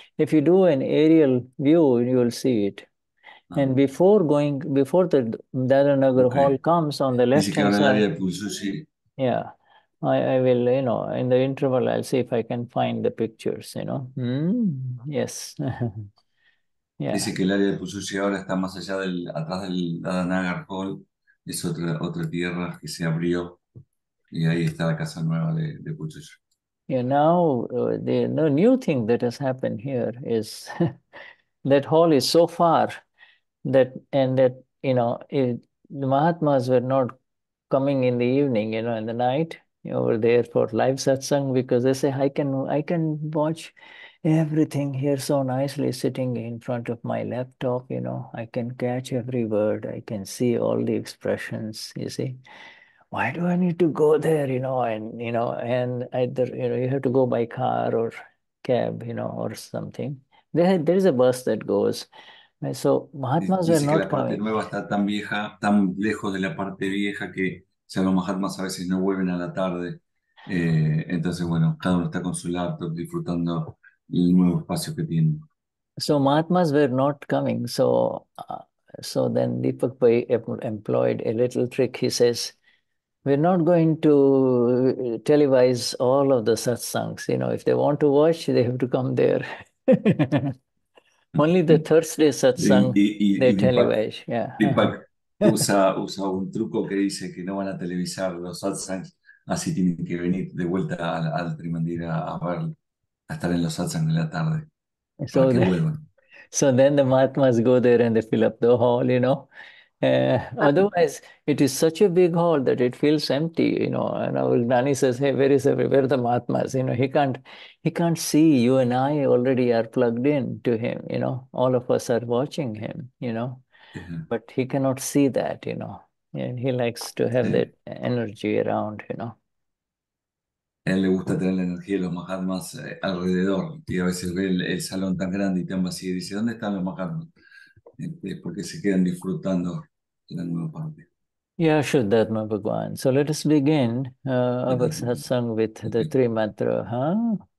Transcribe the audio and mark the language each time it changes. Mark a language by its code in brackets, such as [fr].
[en] If you do an aerial view, you will see it. And before the Dadanagar hall comes on the left hand side, I will, you know, in the interval, I'll see if I can find the pictures, you know. Yes. Yeah. [es] Dice que el área de Pujushi ahora está más allá del, atrás del Dadanagar hall, es otra tierra que se abrió, y ahí está la casa nueva de Pujushi. [en] Yeah, now, the new thing that has happened here is that hall is so far that, and that, you know, the Mahatmas were not coming in the evening, you know, in the night, over there for live satsang, because they say, I can watch everything here so nicely sitting in front of my laptop, you know, I can catch every word, I can see all the expressions, you see. Why do I need to go there, you know, and either, you know, you have to go by car or cab, you know, or something. There is a bus that goes. So Mahatmas [es] dice [en] are not [es] que la parte [en] coming. [es] Nueva está tan vieja, tan lejos de la parte vieja que ya los Mahatmas a veces no vuelven a la tarde. Entonces, bueno, cada uno está con su laptop disfrutando el nuevo espacio que tiene. [en] So Mahatmas were not coming. So then Deepak Bhai employed a little trick. He says, we're not going to televise all of the satsangs. You know, if they want to watch, they have to come there. Only the Thursday satsang they televise. [es] Deepak usa un truco que dice que no van a televisar los satsangs, así tienen que venir de vuelta al Trimandir a estar en los satsangs de la tarde. [en] So, [es] para que vuelvan. [en] So then the Mahatmas go there and they fill up the hall, you know. Otherwise, it is such a big hall that it feels empty, you know. And our Gnani says, hey, where is everybody? Where are the Mahatmas? You know, he can't see you and I already are plugged in to him, you know. All of us are watching him, you know. Mm-hmm. But he cannot see that, you know. And he likes to have that energy around, you know. [es] Él le gusta tener la energía de los Mahatmas alrededor. Y a veces ve el salón tan grande y tan vacío y dice, ¿dónde están los Mahatmas? Porque se quedan disfrutando de la nueva parte. [en] Yeah, Vishuddhatma Bhagwan. So let us begin our satsang with the three mantra, huh?